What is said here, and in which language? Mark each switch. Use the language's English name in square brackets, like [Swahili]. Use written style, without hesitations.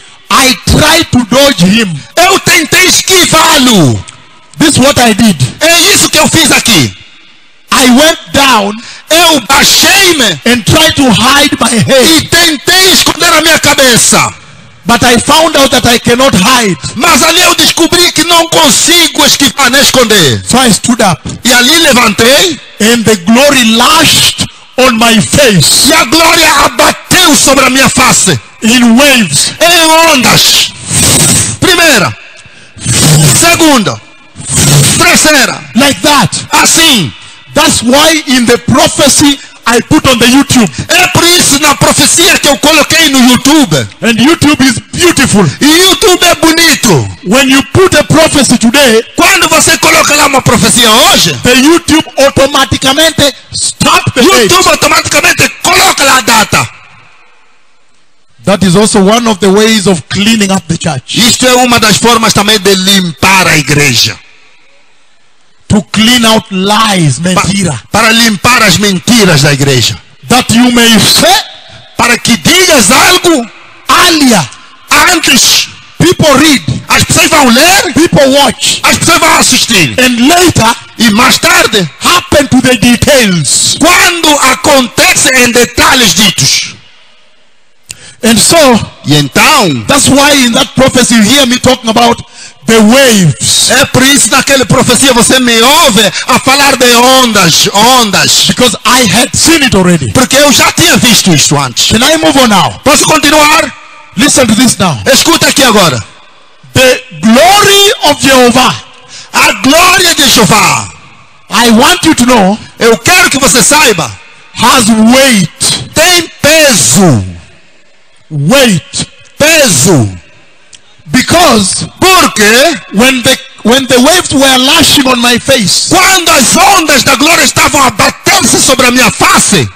[English] I tried to dodge him. [Portuguese] Eu tentei esquivá-lo. [English] This is what I did. [Portuguese] É isso que eu fiz aqui. [English] I went down. [Portuguese] Eu baixei-me [English] and tried to hide my head. [Portuguese] E tentei esconder a minha cabeça. [English] But I found out that I cannot hide. [Portuguese] Mas ali eu descobri que não consigo esquivar nem esconder. [English] So I stood up. [Portuguese] E ali levantei. [English] And the glory lashed on my face. [Portuguese] E a glória abateu sobre a minha face. [English] In waves. [Portuguese] Em ondas. Primeira. Segunda. Terceira. [English] Like that. [Portuguese] Assim. [English] That's why in the prophecy I put on the YouTube. [Portuguese] É por isso na profecia que eu coloquei no YouTube. [English] And YouTube is beautiful. [Portuguese] E YouTube é bonito. [English] When you put a prophecy today, [Portuguese] quando você coloca lá uma profecia hoje, [English] the YouTube [Portuguese] automaticamente [English] stop the YouTube date. [Portuguese] Automaticamente coloca lá a data. [English] That is also one of the ways of cleaning up the church. [Portuguese] Isto é uma das formas também de limpar a igreja. [English] To clean out lies, [Portuguese] mentira. Para limpar as mentiras da igreja. [English] That you may say, [Portuguese] para que digas algo alia, antes. [English] People read. [Portuguese] As pessoas vão ler. [English] People watch. [Portuguese] As pessoas vão assistir. [English] And later, [Portuguese] e mais tarde, [English] happen to the details. [Portuguese] Quando acontece em detalhes ditos. [English] And so, [Portuguese] e então, [English] that's why in that prophecy you hear me talking about the waves. [Portuguese] É por isso naquela profecia você me ouve a falar de ondas, ondas. [English] Because I had seen it already. [Portuguese] Porque eu já tinha visto isso antes. [English] Can I move on now? [Portuguese] Posso continuar? [English] Listen to this now. [Portuguese] Escuta aqui agora. [English] The glory of Jehovah. [Portuguese] A glória de Jeová. [English] I want you to know, [Portuguese] eu quero que você saiba, [English] has weight, [Portuguese] tem peso, [English] weight, [Portuguese] peso, [English] because, [Portuguese] porque, [English] when the waves were lashing on my face, [Portuguese] quando as ondas da glória estavam a bater-se sobre a minha face,